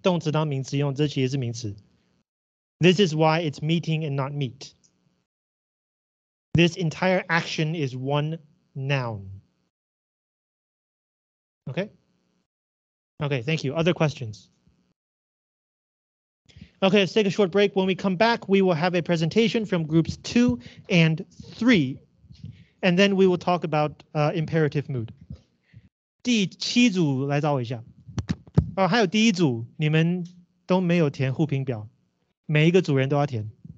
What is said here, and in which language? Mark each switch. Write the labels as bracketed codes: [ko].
[zh] 动词当名词用，这其实是名词. [en] This is why it's meeting and not meet. This entire action is one noun. Okay? Okay, thank you. Other questions? Okay, let's take a short break. When we come back, we will have a presentation from groups 2 and 3. And then we will talk about imperative mood. [zh] 第七组来找我一下，还有第一组，你们都没有填互评表，每一个组员都要填。